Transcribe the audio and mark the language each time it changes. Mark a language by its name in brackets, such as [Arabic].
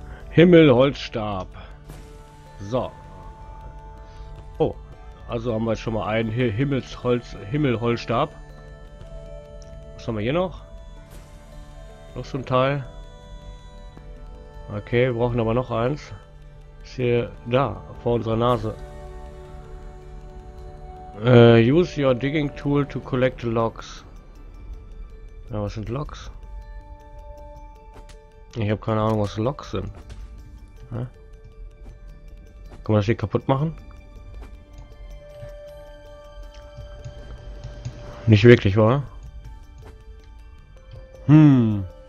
[German] Himmelholzstab. So. Oh, also haben wir jetzt schon mal einen hier Himmelholzstab. Was haben wir hier noch? Noch so ein Teil. Okay, wir brauchen aber noch eins. Ist hier da, vor unserer Nase. [English] Use your digging tool to collect logs. [German] Ja, was sind Loks? Ich habe keine Ahnung, was Loks sind. Kann man das hier kaputt machen? Nicht wirklich, wahr? Hm.